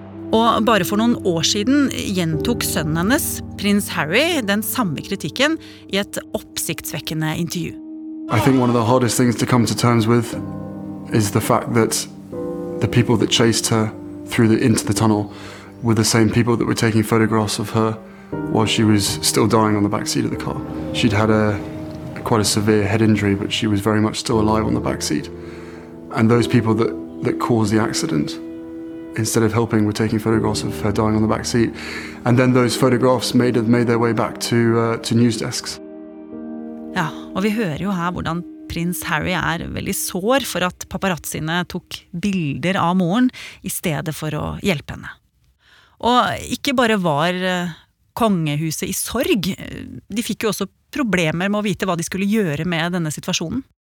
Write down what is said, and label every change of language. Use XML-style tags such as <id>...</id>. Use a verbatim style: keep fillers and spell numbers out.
<no>Og bare for noen år siden gjentok sønnen hennes, prins Harry, den samme kritikken I et oppsiktsvekkende intervju.</no> <en>I think one of the hardest things to come to terms with is the fact that the people that chased her through the into the tunnel were the same people that were taking photographs of her while she was still dying on the back seat of the car. She'd had a quite a severe head injury, but she was very much still alive on the back seat. And those people that that caused the accident, instead of helping, we're taking photographs of her dying on the back seat. And then those photographs made, made their way back to, uh, to news desks.</en> <no>Ja, og vi hører jo her hvordan prins Harry er veldig sår for at paparazziene tok bilder av moren I stedet for å hjelpe henne. Og ikke bare var kongehuset I sorg, de fikk jo også problemer med å vite hva de skulle gjøre med denne situasjonen.</no>